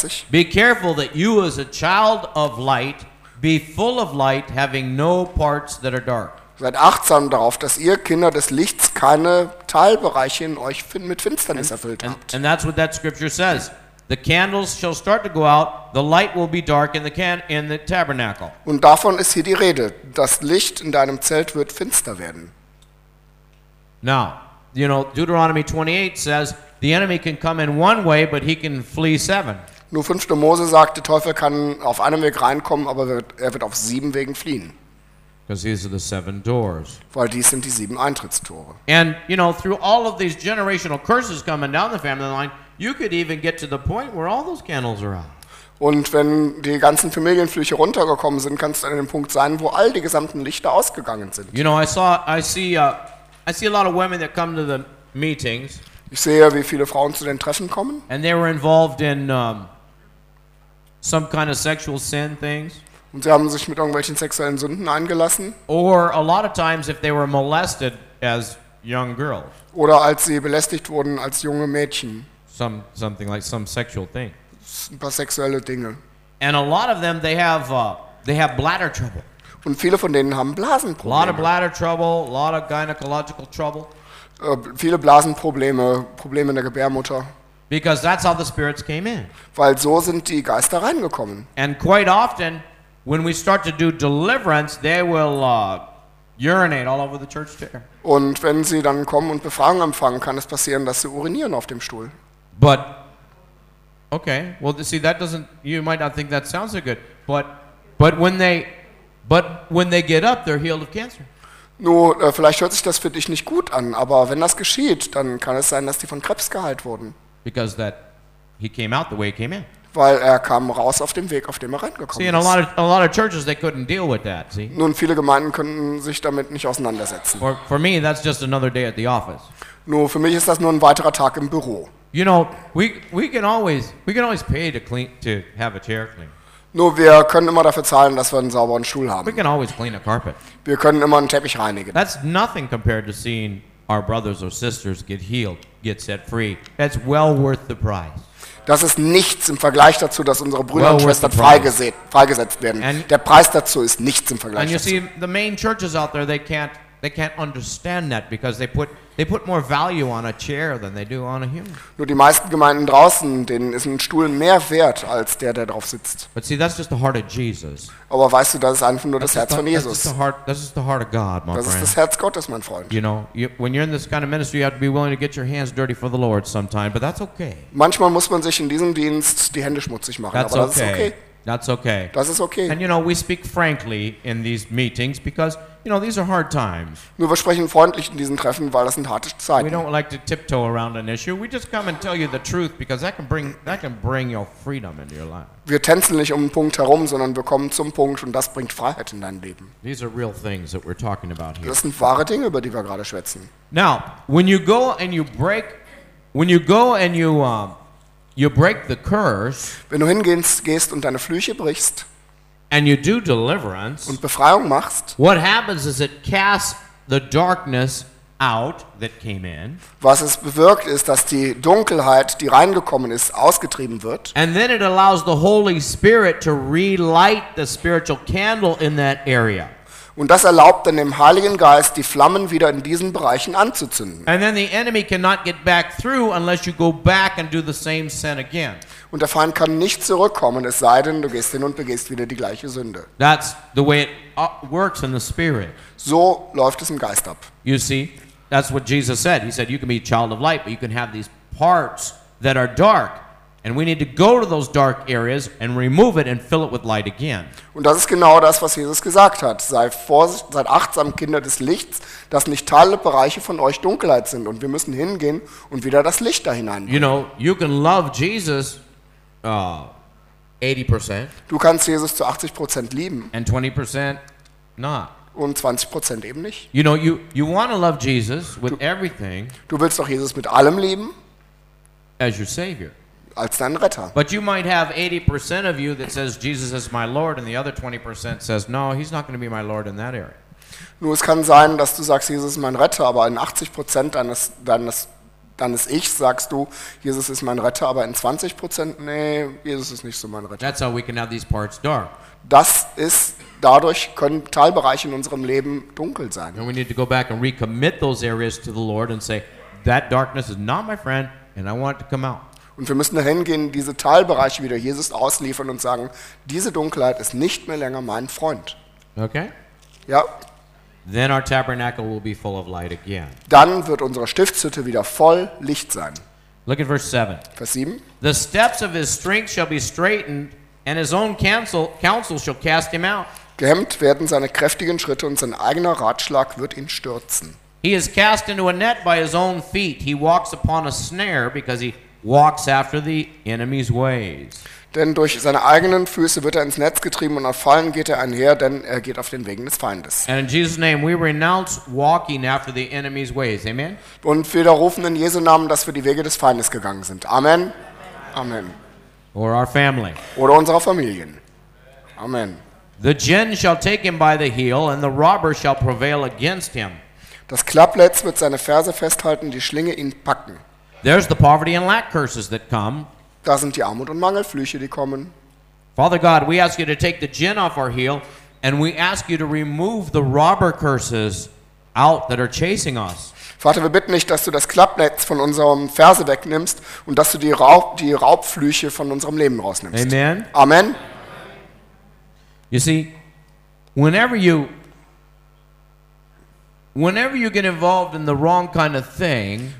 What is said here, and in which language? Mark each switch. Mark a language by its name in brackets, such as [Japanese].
[English] Be careful that you as a child of light be full of light, having no parts that are dark. [German] Seid achtsam darauf, dass ihr Kinder des Lichts keine Teilbereiche in euch mit Finsternis erfüllt habt. [English] And that's what that scripture says. The candles shall start to go out, the light will be dark in the tabernacle. [German] Und davon ist hier die Rede. Das Licht in deinem Zelt wird finster werden. [English] Now, you know, Deuteronomy 28 says, the enemy can come in one way, but he can flee seven. [German] Nur 5. Mose sagt, der Teufel kann auf einem Weg reinkommen, aber er wird auf 7 Wegen fliehen. [English] Because these are the 7 doors. [German] Weil dies sind die 7 Eintrittstore. [English] And, you know, through all of these generational curses coming down the family line, you could even get to the point where all those candles are out. [German] Und wenn die ganzen Familienflüche runtergekommen sind, kannst du an dem Punkt sein, wo all die gesamten Lichter ausgegangen sind. [English] You know, I see a lot of women that come to the meetings. [German] Ich sehe, wie viele Frauen zu den Treffen kommen. [English] And they were involved in some kind of sexual sin things. [German] Und sie haben sich mit irgendwelchen sexuellen Sünden eingelassen. [English] Or a lot of times if they were molested as young girls. [German] Oder als sie belästigt wurden als junge Mädchen. [English] Something like some sexual thing. [German] Ein paar sexuelle Dinge. [English] And a lot of them they have bladder trouble. [German] Und viele von denen haben Blasenprobleme. [English] A lot of bladder trouble, a lot of gynecological trouble. [German] Viele Blasenprobleme, Probleme in der Gebärmutter. [English] Because that's how the spirits came in. [German] Weil so sind die Geister reingekommen. [English] And quite often, when we start to do deliverance, they will urinate all over the church chair. [German] Und wenn sie dann kommen und Befragung empfangen, kann es passieren, dass sie urinieren auf dem Stuhl. [English] But okay, well, see, that doesn't. You might not think that sounds so good, but when they get up, they're healed of cancer. [German] Nur, vielleicht hört sich das für dich nicht gut an, aber wenn das geschieht, dann kann es sein, dass die von Krebs geheilt wurden. [English] Because that he came out the way he came in. [German] Weil er kam raus auf dem Weg, auf dem er reingekommen ist. [English] See, a lot of churches they couldn't deal with that. See. [German] Nun, viele Gemeinden könnten sich damit nicht auseinandersetzen. [English] For me, that's just another day at the office. [German] Nur für mich ist das nur ein weiterer Tag im Büro. [English] You know, we can always pay to clean to have a chair clean. [German] Nur wir können immer dafür zahlen, dass wir einen sauberen Stuhl haben. [English] We can always clean a carpet. [German] Wir können immer einen Teppich reinigen. [English] That's nothing compared to seeing our brothers or sisters get healed, get set free. That's well worth the price. [German] Das ist nichts im Vergleich dazu, dass unsere Brüder und Schwestern freigesetzt werden. And der Preis dazu ist nichts im Vergleich. [English] And you [German] dazu. [English] See, the main churches out there, they can't understand that because they put more value on a chair than they do on a human. [German] Nur die meisten Gemeinden draußen, denen ist ein Stuhl mehr wert als der drauf sitzt. [English] But see, that's just the heart of Jesus. [German] Aber weißt du, das ist einfach nur das Herz von Jesus. [English] That's just the heart of God, my friend. [German] Das ist das Herz Gottes, mein Freund. [English] You know, when you're in this kind of ministry, you have to be willing to get your hands dirty for the Lord sometime, but that's okay. [German] Manchmal muss man sich in diesem Dienst die Hände schmutzig machen, [English] that's [German] aber das ist okay. [English] That's okay. [German] Das ist okay. [English] And you know, we speak frankly in these meetings because, you know, these are hard times. [German] Nur wir sprechen freundlich in diesen Treffen, weil das sind harte Zeiten. [English] We don't like to tiptoe around an issue. We just come and tell you the truth because that can bring your freedom into your life. [German] Wir tänzeln nicht um einen Punkt herum, sondern wir kommen zum Punkt und das bringt Freiheit in dein Leben. [English] These are real things that we're talking about here. [German] Das sind wahre Dinge, über die wir gerade schwätzen. [English] Now, when you break the curse, [German] wenn du hingehst und deine Flüche brichst, [English] and you do deliverance, [German] und Befreiung machst, [English] what happens is it casts the darkness out that came in. [German] Was es bewirkt ist, dass die Dunkelheit, die reingekommen ist, ausgetrieben wird. [English] And then it allows the Holy Spirit to relight the spiritual candle in that area. [German] Und das erlaubt dann dem Heiligen Geist, die Flammen wieder in diesen Bereichen anzuzünden. [English] And then the enemy cannot get back through unless you go back and do the same sin again. [German] Und der Feind kann nicht zurückkommen, es sei denn, du gehst hin und begehst wieder die gleiche Sünde. [English] That's the way it works in the spirit. [German] So läuft es im Geist ab. [English] You see, that's what Jesus said. He said, you can be a child of light, but you can have these parts that are dark. And we need to go to those dark areas and remove it and fill it with light again. [German] Und das ist genau das, was Jesus gesagt hat. Seid achtsam, Kinder des Lichts, dass nicht alle Bereiche von euch Dunkelheit sind. Und wir müssen hingehen und wieder das Licht da hineinbringen. [English] You know, you can love Jesus 80%. [German] Du kannst Jesus zu 80% lieben. [English] And 20% not. [German] Und 20% eben nicht. [English] You know, you want to love Jesus with everything. [German] Du willst doch Jesus mit allem lieben. [English] As your Savior. [German] Als deinen Retter. [English] But you might have 80% of you that says Jesus is my Lord, and the other 20% says no, he's not going to be my Lord in that area. [German] Nur es kann sein, dass du sagst, Jesus ist mein Retter, aber in 80% deines Ichs sagst du, Jesus ist mein Retter, aber in 20%, nee, Jesus ist nicht so mein Retter. [English] That's how we can have these parts dark. [German] Das ist, dadurch können Teilbereiche in unserem Leben dunkel sein. [English] And we need to go back and recommit those areas to the Lord and say, that darkness is not my friend and I want it to come out. [German] Und wir müssen dahin gehen, diese Teilbereiche wieder Jesus ausliefern und sagen, diese Dunkelheit ist nicht mehr länger mein Freund. [English] Okay? [German] Ja. [English] Then our tabernacle will be full of light again. [German] Dann wird unsere Stiftshütte wieder voll Licht sein. [English] Look at verse 7. [German] Vers 7. [English] The steps of his strength shall be straightened and his own counsel shall cast him out. [German] Gehemmt werden seine kräftigen Schritte und sein eigener Ratschlag wird ihn stürzen. [English] He is cast into a net by his own feet. He walks upon a snare because he walks after the enemy's ways. [German] Denn durch seine eigenen Füße wird er ins Netz getrieben und auf Fallen geht er einher, denn er geht auf den Wegen des Feindes. [English] And in Jesus' name we renounce walking after the enemy's ways. Amen. [German] Und wir widerrufen in Jesu Namen, dass wir die Wege des Feindes gegangen sind. Amen. Amen. [English] Or our family. [German] Oder unsere Familien. Amen. [English] The gin shall take him by the heel and the robber shall prevail against him. [German] Das Klappletz wird seine Ferse festhalten, die Schlinge ihn packen. [English] There's the poverty and lack curses that come. [German] Da sind die Armut und Mangelflüche, die kommen. [English] Father God, we ask you to take the gin off our heel and we ask you to remove the robber curses out that are chasing us. [German] Vater, wir bitten dich, dass du das Klappnetz von unserem Ferse wegnimmst und dass du die Raubflüche von unserem Leben rausnimmst. Amen. Amen. [English] You see, whenever you get involved in the wrong kind of thing,